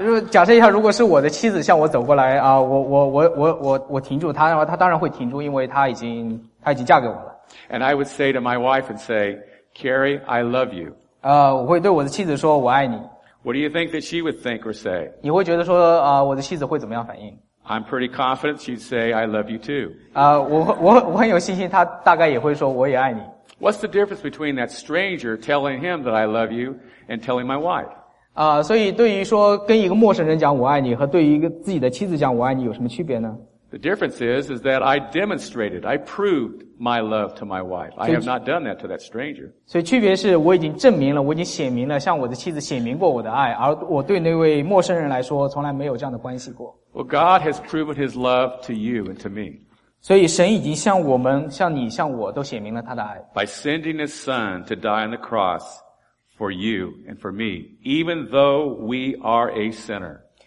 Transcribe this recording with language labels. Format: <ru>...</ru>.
<zh>假设一下，如果是我的妻子向我走过来啊，我停住她，然后她当然会停住，因为她已经嫁给我了。</zh> <en>And I would say to my wife and say, Carrie, I love you.</en> <zh>我会对我的妻子说我爱你。</zh> <en>What do you think that she would think or say?</en> <zh>你会觉得说我的妻子会怎么样反应？</zh> <en>I'm pretty confident she'd say I love you too.</en> <zh>我很有信心她大概也会说我也爱你。</zh> <en>What's the difference between that stranger telling him that I love you and telling my wife?</en> <zh>所以对于说跟一个陌生人讲我爱你和对于一个自己的妻子讲我爱你有什么区别呢？</zh> <en>The difference is that I demonstrated, I proved my love to my wife. I have not done that to that stranger.</en> <zh>所以区别是我已经证明了，我已经显明了，向我的妻子显明过我的爱，而我对那位陌生人来说，从来没有这样的关系过。</zh> <en>Well, God has proven His love to you and to me.</en> <zh>所以神已经向我们，向你，向我都显明了他的爱。</zh> <en>By sending His Son to die on the cross for you and for me, even though we are a sinner.</en>